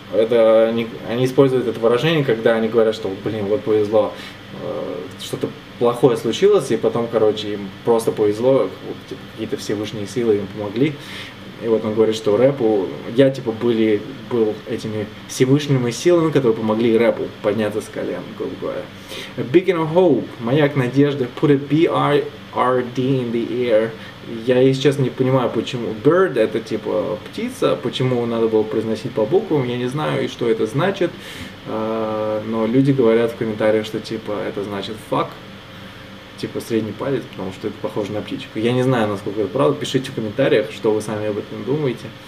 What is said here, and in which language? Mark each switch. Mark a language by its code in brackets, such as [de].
[ru] Это они используют это выражение, когда они говорят, что, блин, вот повезло, что-то плохое случилось, и потом, короче, им просто повезло, типа, какие-то Всевышние силы им помогли. И вот он говорит, что рэпу, я, типа, был этими Всевышними силами, которые помогли рэпу подняться с колен, грубо говоря. [en] A beacon of hope, [ru] маяк надежды, [en] put a BRRD in the air, [ru] Я и сейчас не понимаю, почему bird это типа птица, почему надо было произносить по буквам, я не знаю, и что это значит. Но люди говорят в комментариях, что типа это значит fuck, типа средний палец, потому что это похоже на птичку. Я не знаю, насколько это правда. Пишите в комментариях, что вы сами об этом думаете.